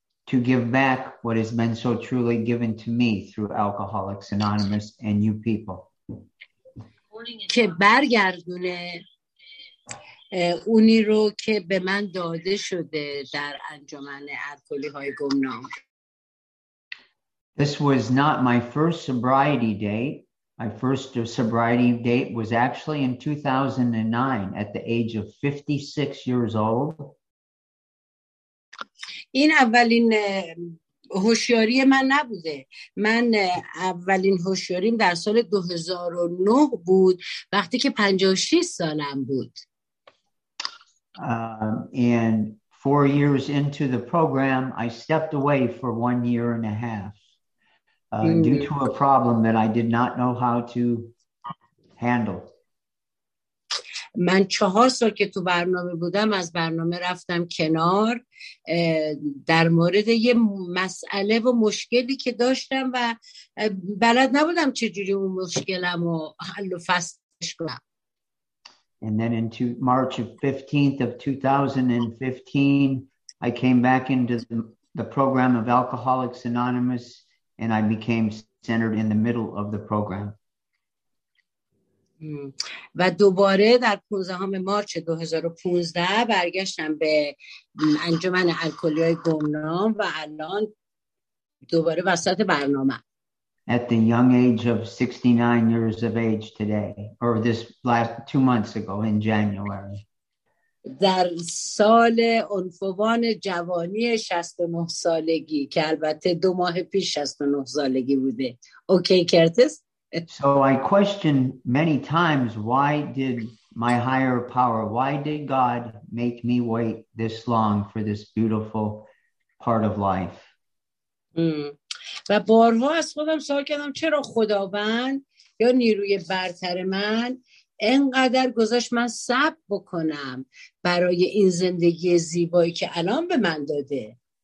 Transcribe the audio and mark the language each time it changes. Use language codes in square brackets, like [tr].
[en] To give back what has been so truly given to me through Alcoholics Anonymous and you people. [fa] که برگردونه اونی رو که به من داده شده در انجمن الکلی‌های گمنام. [en] This was not my first sobriety date. My first sobriety date was actually in 2009 at the age of 56 years old. [fa] این اولین هوشیاری من نبوده. من اولین هوشیاریم در سال 2009 بود وقتی که 56 سالم بود. [en] And 4 years into the program, I stepped away for 1 year and a half. Due to a problem that I did not know how to handle. [fa] من 4 سال که تو برنامه بودم از برنامه رفتم کنار در مورد یه مسئله و مشکلی که داشتم و بلد نبودم چجوری اون مشکلم رو حل و فصلش کنم. [en] And then in March 15th of 2015, I came back into the program of Alcoholics Anonymous. And I became centered in the middle of the program. [fa] و دوباره در 15 مارچ 2015 برگشتم به انجمن الکلی‌های گمنام و الان دوباره وسط برنامه. [en] At the young age of 69 years of age today, or this last 2 months ago in January. [fa] در سال عنفوان جوانی 69 سالگی که البته 2 ماه پیش 69 سالگی بوده. اوکی کرتیس؟ [en] So I questioned many times why did my higher power, why did God make me wait this long for this beautiful part of life? [fa] و بارها از خودم سوال کردم چرا خداوند یا نیروی برتر من انقدر گذاشت من صبر بکنم برای این زندگی زیبایی که الان به من داده.